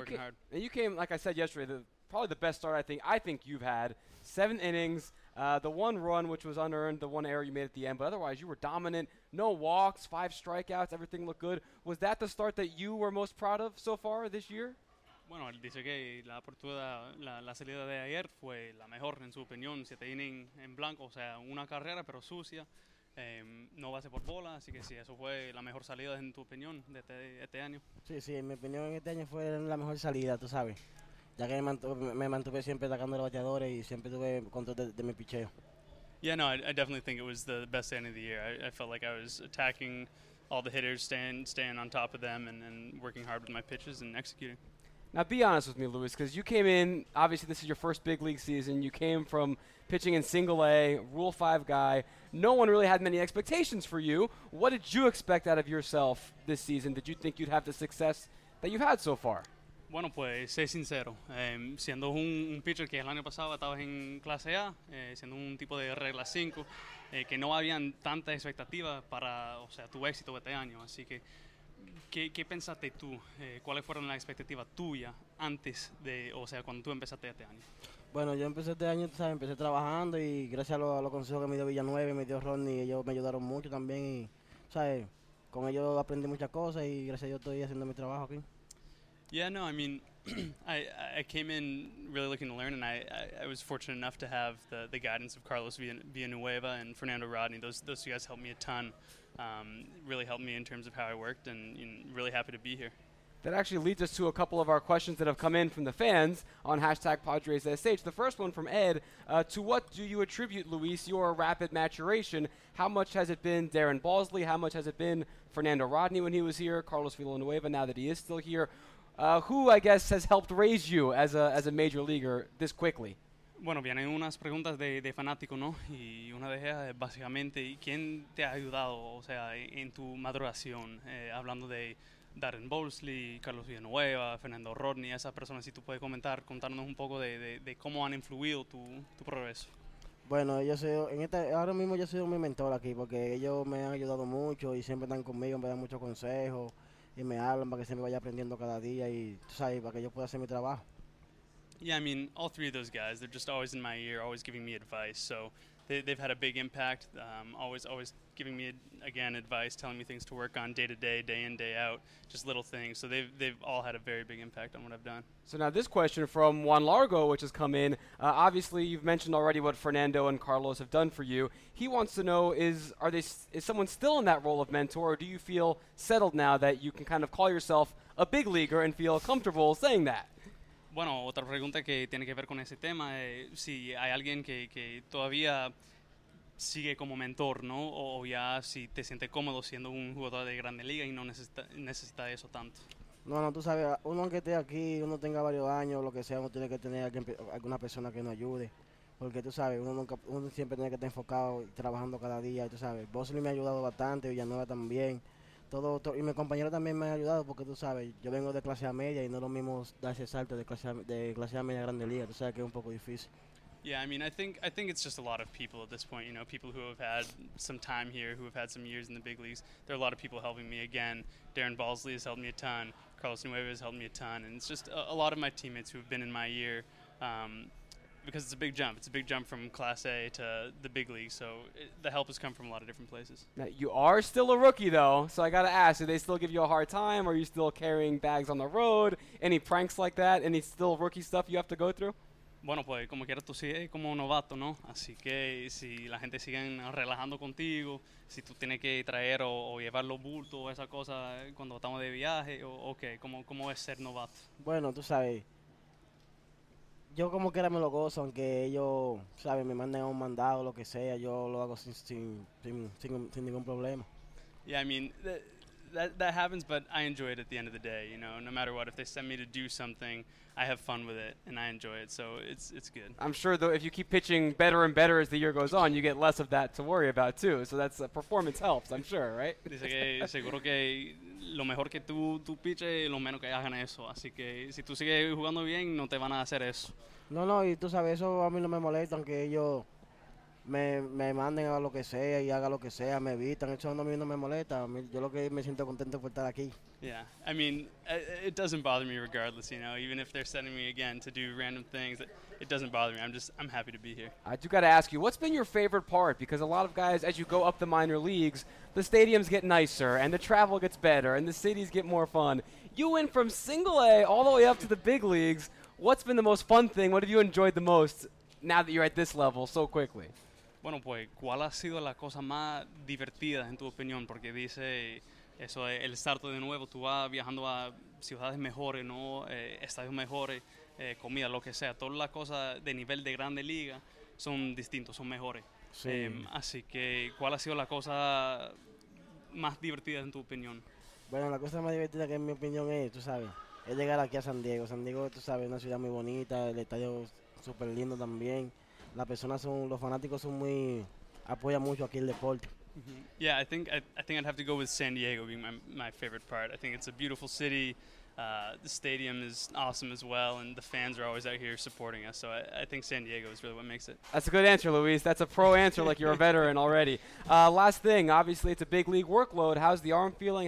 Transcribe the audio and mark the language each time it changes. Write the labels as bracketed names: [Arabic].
[English] working hard. And you came, like I said yesterday, probably the best start I think you've had. Seven innings, the one run, which was unearned, the one error you made at the end. But otherwise, you were dominant. No walks, five strikeouts, everything looked good. Was that the start that you were most proud of so far this year? [Spanish] Bueno, él dice que la apertura, la salida de ayer fue la mejor, en su opinión. Siete innings en blanco, o sea, una carrera, pero sucia. No base por bola, así que sí, eso fue la mejor salida, en tu opinión, de este año. Sí, en mi opinión, en este año fue la mejor salida, tú sabes. Ya que me mantuve siempre atacando a los bateadores y siempre tuve control de mi picheo. [English] Yeah, no, I definitely think it was the best end of the year. I felt like I was attacking all the hitters, staying on top of them and working hard with my pitches and executing. Now, be honest with me, Luis, because you came in, obviously this is your first big league season. You came from pitching in single A, rule 5 guy. No one really had many expectations for you. What did you expect out of yourself this season? Did you think you'd have the success that you've had so far? [Spanish] Bueno, pues, sé sincero, siendo un pitcher que el año pasado estaba en clase A, siendo un tipo de regla 5, que no habían tantas expectativas para, o sea, tu éxito este año. Así que, ¿qué pensaste tú? ¿Cuáles fueron las expectativas tuyas antes de, o sea, cuando tú empezaste este año? Bueno, yo empecé este año, ¿sabes? Empecé trabajando y gracias a los consejos que me dio Villanueva y me dio Ronnie, ellos me ayudaron mucho también y, ¿sabes? Con ellos aprendí muchas cosas y gracias a Dios estoy haciendo mi trabajo aquí. [English] Yeah, no, I mean, I came in really looking to learn, and I was fortunate enough to have the guidance of Carlos Villanueva and Fernando Rodney. Those two guys helped me a ton, really helped me in terms of how I worked, and you know, really happy to be here. That actually leads us to a couple of our questions that have come in from the fans on hashtag PadresSH. The first one from Ed, to what do you attribute, Luis, your rapid maturation? How much has it been Darren Balsley? How much has it been Fernando Rodney when he was here, Carlos Villanueva now that he is still here? Who, I guess, has helped raise you as a major leaguer this quickly? [Spanish] Bueno, vienen unas preguntas de fanático, ¿no? Y una de ellas es básicamente, ¿quién te ha ayudado, o sea, en tu maduración? Hablando de Darren Bowlesley, Carlos Villanueva, Fernando Rodney, esas personas, si tú puedes comentar, contarnos un poco de cómo han influido tu progreso. Bueno, ahora mismo yo soy mi mentor aquí, porque ellos me han ayudado mucho y siempre están conmigo, me dan muchos consejos. Y me hablan para que se me vaya aprendiendo cada día y, tú sabes, para que yo pueda hacer mi trabajo. [English] Yeah, I mean, all three of those guys, they're just always in my ear, always giving me advice. So they've had a big impact, always giving me, again, advice, telling me things to work on day to day, day in, day out, just little things. So they've all had a very big impact on what I've done. So now this question from Juan Largo, which has come in. Obviously, you've mentioned already what Fernando and Carlos have done for you. He wants to know, is someone still in that role of mentor, or do you feel settled now that you can kind of call yourself a big leaguer and feel comfortable saying that? [Spanish] Bueno, otra pregunta que tiene que ver con ese tema es si hay alguien que todavía sigue como mentor, ¿no? O ya si te sientes cómodo siendo un jugador de grande liga y no necesita eso tanto. No, tú sabes, uno aunque esté aquí, uno tenga varios años, lo que sea, uno tiene que tener alguna persona que nos ayude. Porque tú sabes, uno siempre tiene que estar enfocado y trabajando cada día, tú sabes. Bosley me ha ayudado bastante, Villanueva también. Y mi compañero también me ha ayudado porque tú sabes, yo vengo de clase media y no lo mismo dar ese salto de clase media a grande liga, tú sabes que es un poco difícil. [English] Yeah, I mean, I think it's just a lot of people at this point, you know, people who have had some time here, who have had some years in the big leagues. There are a lot of people helping me again. Darren Balsley has helped me a ton. Carlos Nueva has helped me a ton. And it's just a lot of my teammates who have been in my year, because it's a big jump. It's a big jump from Class A to the big league. So the help has come from a lot of different places. Now, you are still a rookie, though. So I got to ask, do they still give you a hard time? Are you still carrying bags on the road? Any pranks like that? Any still rookie stuff you have to go through? [Spanish] Bueno, pues como quieras tú sigues como novato, ¿no? Así que si la gente sigue relajando contigo, si tú tienes que traer o llevar los bultos o esas cosas cuando estamos de viaje, o qué, ¿cómo es ser novato? Bueno, tú sabes, yo como quiera me lo gozo, aunque ellos, ¿sabes?, me manden un mandado o lo que sea, yo lo hago sin ningún problema. [English] Yeah, I mean, that happens, but I enjoy it at the end of the day, you know, no matter what. If they send me to do something, I have fun with it, and I enjoy it, so it's good. I'm sure, though, if you keep pitching better and better as the year goes on, you get less of that to worry about, too. So that's performance helps, I'm sure, right? [Spanish] Dice que seguro que lo mejor que tú piches, lo menos que hagan eso. Así que si tú sigues jugando bien, no te van a hacer eso. No, no, y tú sabes, eso a mí no me molesta, aunque ellos me manden a lo que sea y haga lo que sea, me evitan, eso a mí no me molesta, yo lo que me siento contento por estar aquí. [English] Yeah, I mean, it doesn't bother me regardless, you know, even if they're sending me again to do random things, it doesn't bother me, I'm happy to be here. I do got to ask you, what's been your favorite part? Because a lot of guys, as you go up the minor leagues, the stadiums get nicer, and the travel gets better, and the cities get more fun. You went from single A all the way up to the big leagues. What's been the most fun thing? What have you enjoyed the most now that you're at this level so quickly? [Spanish] Bueno, pues, ¿cuál ha sido la cosa más divertida, en tu opinión? Porque dice eso, el salto de nuevo, tú vas viajando a ciudades mejores, ¿no? Estadios mejores, comida, lo que sea. Todas las cosas de nivel de grande liga son distintos, son mejores. Sí. Así que, ¿cuál ha sido la cosa más divertida, en tu opinión? Bueno, la cosa más divertida que en mi opinión es, tú sabes, es llegar aquí a San Diego. San Diego, tú sabes, es una ciudad muy bonita, el estadio súper lindo también. La persona son, los fanáticos son muy, apoyan mucho aquí el deporte. Mm-hmm. [English] Yeah, I think I'd have to go with San Diego being my favorite part. I think it's a beautiful city. The stadium is awesome as well, and the fans are always out here supporting us. So I think San Diego is really what makes it. That's a good answer, Luis. That's a pro answer, like you're a veteran already. Last thing, obviously it's a big league workload. How's the arm feeling?